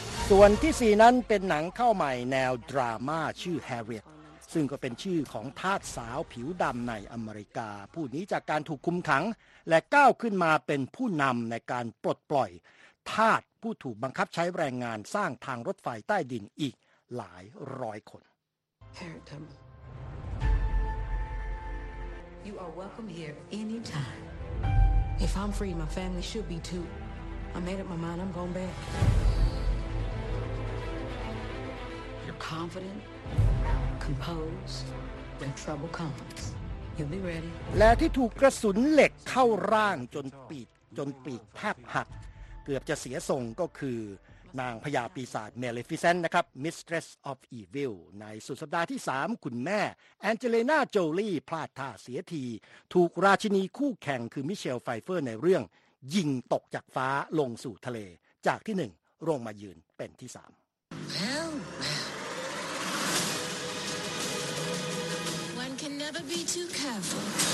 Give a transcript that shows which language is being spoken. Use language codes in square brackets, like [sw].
[th] ส่วนที่4นั้นเป็นหนังเข้าใหม่แนวดราม่าชื่อ Harriet ซึ่งก็เป็นชื่อของทาสสาวผิวดำในอเมริกาผู้นี้จากการถูกคุมขังและก้าวขึ้นมาเป็นผู้นำในการปลดปล่อยทาสผู้ถูกบังคับใช้แรงงานสร้างทางรถไฟใต้ดินอีกหลายร้อยคน Harriet [en] You are welcome here anytimeIf I'm free, my family should be too. I made up my mind, I'm going back. You're confident, composed. When trouble comes, you'll be ready. [th] และที่ถูกกระสุนเหล็กเข้าร่างจนปีกแทบหักเกือบจะเสียทรงก็คือ นางพญาปีศาจ Maleficent นะครับ Mistress of Evil ในสุดสัปดาห์ที่3คุณแม่ Angelina Jolie พลาดท่าเสียทีถูกราชินีคู่แข่งคือ Michelle Pfeiffer ในเรื่องยิงตกจากฟ้าลงสู่ทะเลจากที่1ลงมายืนเป็นที่3 [en] Well One can never be too careful